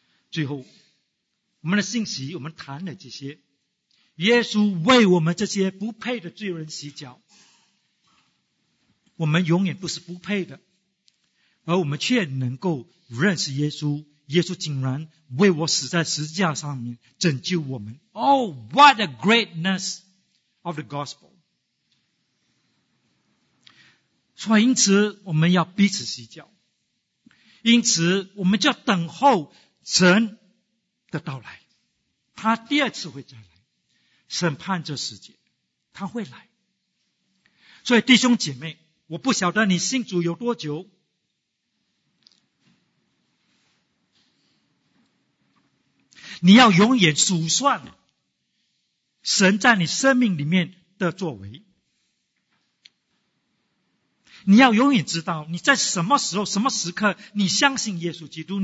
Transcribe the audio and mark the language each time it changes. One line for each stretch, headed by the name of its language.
Chinese: 最后我们的信息，我们谈了这些，耶稣为我们这些不配的罪人洗脚，我们永远不是不配的，而我们却能够认识耶稣，耶稣竟然为我死在十字架上面拯救我们。
English: Oh, what the greatness of the gospel.
Chinese: 所以因此我们要彼此洗脚，因此我们就等候神的到来，他第二次会再来审判这世界，他会来。所以弟兄姐妹，我不晓得你信主有多久，你要永远数算神在你生命里面的作为，你要永远知道你在什么时候什么时刻你相信耶稣基督。